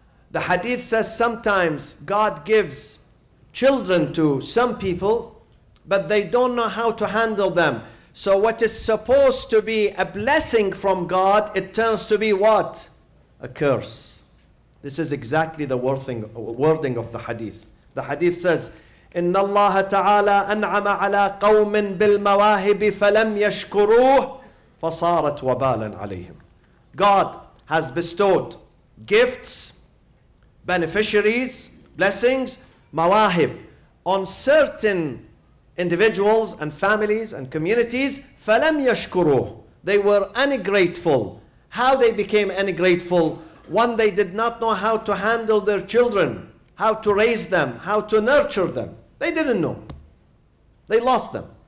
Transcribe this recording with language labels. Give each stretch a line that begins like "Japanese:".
English: The hadith says sometimes God gives children to some people, but they don't know how to handle them. So what is supposed to be a blessing from God, it turns to be what? A curse. This is exactly the wording of the hadith. The hadith says,
Arabic: إِنَّ اللَّهَ تَعَالَىٰ أَنْعَمَ عَلَىٰ قَوْمٍ بِالْمَوَاهِبِ فَلَمْ يَشْكُرُوهُ فَصَارَتْ وَبَالًا عَلَيْهِمْ.
English: God has bestowed gifts, beneficiaries, blessings, mawahib, on certain individuals and families and communities.
Arabic: فَلَمْ يَشْكُرُوهُ.
English: They were ungrateful. How they became ungrateful? One, they did not know how to handle their children, how to raise them, how to nurture them. They didn't know. They lost them.